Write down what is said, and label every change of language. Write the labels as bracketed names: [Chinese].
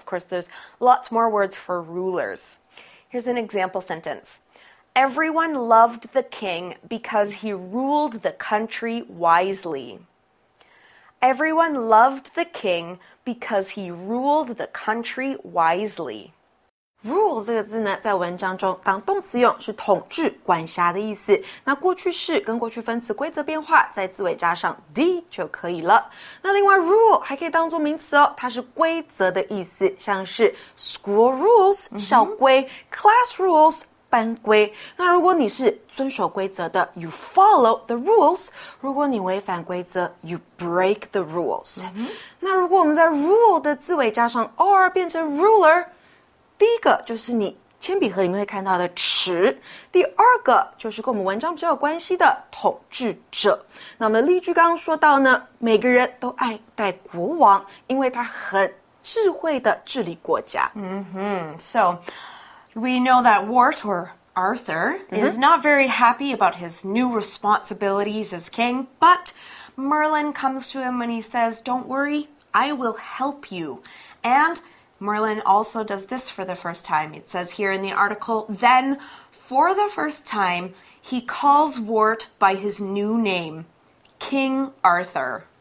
[English] Of course, there's lots more words for rulers. Here's an example sentence. Everyone loved the king because he ruled the country wisely. Everyone loved the king because he ruled the country wisely. [Chinese] Rule 这个字呢，在文章中当动词用，是统治、管辖的意思。那过去式跟过去分词规则变化，在字尾加上 d 就可以了。那另外 rule 还可以当作名词哦，它是规则的意思，像是 [English] school rules [Chinese] 校规、 [English] class rules [Chinese] 班规。那如果你是遵守规则的 ， [English] you follow the rules。 [Chinese] 如果你违反规则 ， [English] you break the rules。 [Chinese] 那如果我们在 rule 的字尾加上 r 变成 ruler。第一个就是你铅笔盒里面会看到的尺，第二个就是跟我们文章比较有关系的统治者。那我们的例句刚刚说到呢，每个人都爱戴国王，因为他很智慧的治理国家。 [English] So we know that Wartor Arthur is not very happy about his new responsibilities as king, but Merlin comes to him and he says, "Don't worry, I will help you." And Merlin also does this for the first time. It says here in the article, then, for the first time, he calls Wart by his new name, King Arthur.